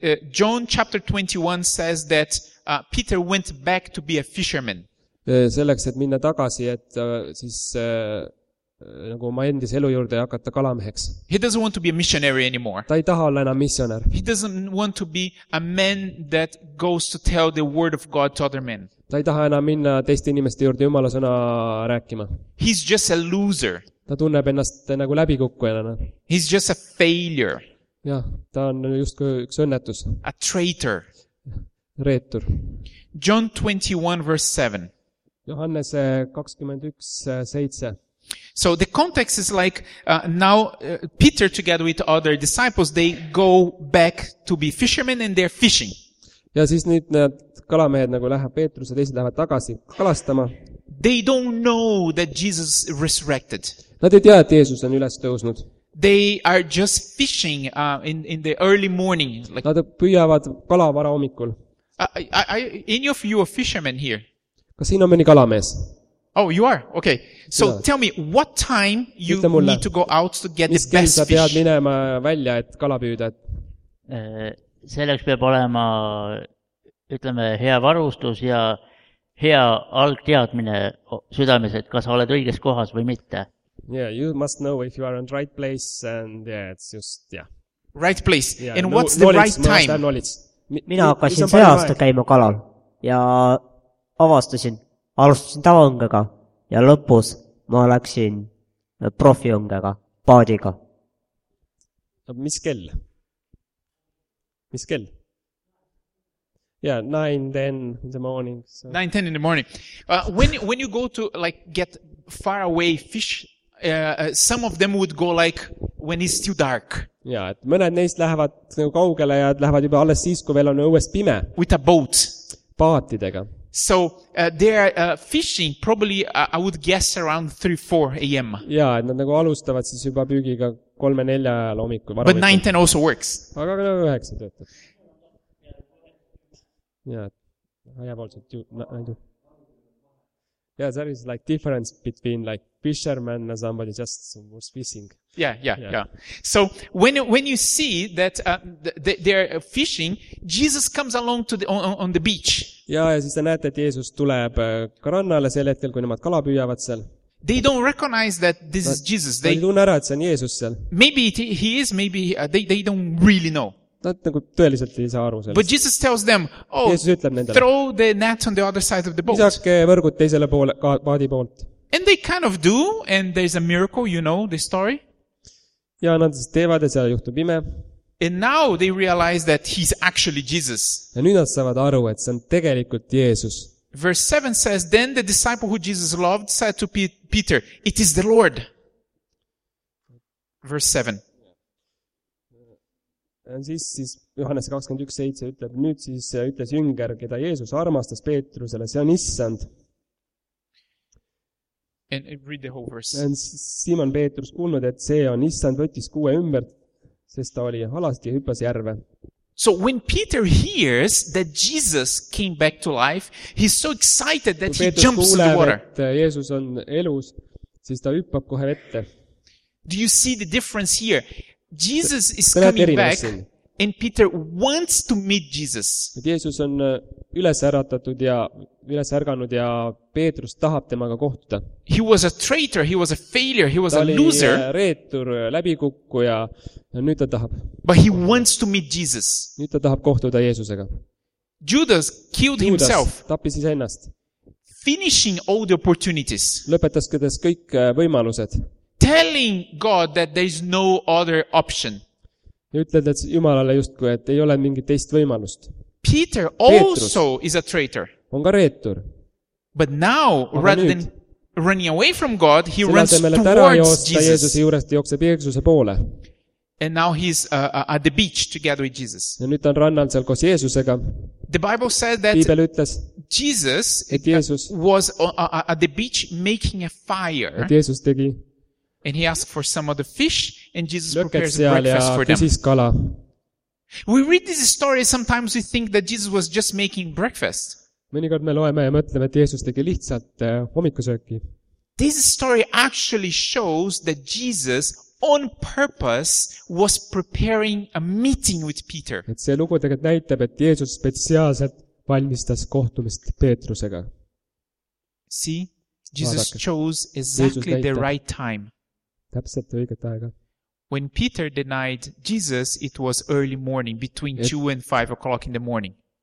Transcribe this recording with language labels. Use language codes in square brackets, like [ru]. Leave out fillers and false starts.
[en] John chapter 21 says that Peter went back to be a fisherman. [et] Selleks, et minna tagasi, et siis nagu oma endis elu juurde hakata kalameheks. [en] He doesn't want to be a missionary anymore. [et] Ta ei taha olla enam missionär. [en] He doesn't want to be a man that goes to tell the word of God to other men. [et] Ta ei taha enam minna teiste inimeste juurde Jumala sõna rääkima. [en] He's just a loser. [et] Ta tunneb ennast nagu läbikukkujana. [en] He's just a failure. [et] Ja, ta on justkui üks õnnetus. [en] A traitor. [et] Reetur. [en] John 21 verse 7. [et] Johannese 21:7. [en] So the context is like now Peter together with other disciples they go back to be fishermen and they're fishing. [et] Ja siis nüüd need kalamehed nagu lähevad Peetrus ja teised lähevad tagasi kalastama. [en] They don't know that Jesus resurrected. [et] Nad ei tea, et Jeesus on üles tõusnud. [en] They are just fishing in the early morning. [et] Like, nad püüavad kala vara hommikul. [en] Any of you are fishermen here? [et] Kas siin on mõni kalamees? [en] Oh, you are? Okay. So ja. Tell me, what time you [et] mulle, [en] need to go out to get the best fish? [et] Mis kell sa pead minema välja, et kala püüda? Et... Selleks peab olema, ütleme, hea varustus ja hea algteadmine südames, et kas sa oled õiges kohas või mitte. [en] Yeah, you must know if you are in the right place and yeah, it's just, yeah. Right place. Yeah, and what's the right time? [et] Mina hakkasin see aasta käima kalal ja avastasin, alustasin tavaõngega ja lõpus ma läksin profiõngega, paadiga. Mis kell? [en] Yeah, 9:10 in the morning. So. 9:10 in the morning. When you go to like get far away fish, some of them would go like when it's too dark. [et] Ja, et mõned neist lähevad kaugele ja lähevad juba alles siis, kui veel on õues pime. [en] With a boat. [et] Paatidega. [en] So, they are fishing probably, I would guess, around 3-4 a.m. [et] Ja, et nad nagu alustavad siis juba püügiga 3-4 ajal hommikul. [en] But 9:10 also works. [et] Aga 9 töötab. [en] Ja, I have also two. Yeah, there is like difference between like fisherman and somebody just was fishing. Yeah. So when you see that they're fishing, Jesus comes along to the on the beach. [et] Ja siis sa näed, et Jeesus tuleb rannale sel hetkel, kui nemad kala püüavad seal. [en] They don't recognize that this is Jesus. They [et] ei tunne ära, et see on Jeesus seal. [en] Maybe he is, maybe they don't really know. [et] Nad nagu tõeliselt ei saa aru sellest. [en] But Jesus tells them, throw the net on the other side of the boat. [et] Visake võrgud teisele poole, paadi poolt. [en] And they kind of do, and there's a miracle, you know, the story. [et] Ja nad siis teevad ja seal juhtub ime. [en] And now they realize that he's actually Jesus. [et] Ja nüüd nad saavad aru, et see on tegelikult Jeesus. [en] Verse 7 says, then the disciple who Jesus loved said to Peter, it is the Lord. Verse 7. [et] Siis Johannes 21:7 ütleb, nüüd siis ütles jünger, keda Jeesus armastas Peetrusele, see on issand. [en] And read the whole verse. [et] And Simon Peetrus kuulnud, et see on issand, võttis kuue ümbert, sest ta oli halasti ja hüppas järve. [en] So when Peter hears that Jesus came back to life, he's so excited that he jumps [et] kuuleb, [en] in the water. [et] Et Jeesus on elus, siis ta hüppab kohe vette. [en] Do you see the difference here? Jesus is coming back and Peter wants to meet Jesus. [et] Jeesus on üles äratatud ja üles ärganud ja Peetrus tahab temaga kohtuda. [en] He was a traitor, he was a failure, he was a loser. [et] Ta oli reetur, läbikukku ja nüüd ta tahab. [en] But he wants to meet Jesus. [et] Nüüd ta tahab kohtuda Jeesusega. [en] Judas killed himself. [et] Judas tappis ise ennast. [en] Finishing all the opportunities. [et] Lõpetas kõdes kõik võimalused. [en] Telling God that there is no other option. [et] Ja ütled, et Jumalale justkui, et ei ole mingi teist võimalust. [en] Peter also is a traitor. [et] On ka reetur. [en] But now, [et] aga [en] rather [et] nüüd, [en] than running away from God, he runs towards Jesus. [et] Jooksab Jeesuse poole. [en] And now he's at the beach together with Jesus. [et] Ja nüüd on rannal seal koos Jeesusega. [en] The Bible said that [et] Piibel ütles, [en] Jesus [et] et Jeesus, [en] was at the beach making a fire. [et] Et Jeesus tegi. [en] And he asked for some of the fish, and Jesus prepares breakfast for them. We read this story, sometimes we think that Jesus was just making breakfast. [et] Mõnikord me loeme ja mõtleme, et Jeesus tegi lihtsalt hommikusööki. [en] This story actually shows that Jesus on purpose was preparing a meeting with Peter. [et] Et see lugu tegelikult näitab, et Jeesus spetsiaalselt valmistas kohtumist Peetrusega. [en] See, Jesus chose exactly the right time. [et] Täpselt õiget aega. [en] When Peter denied Jesus, it was early morning, between 2 and 5 o'clock in the morning.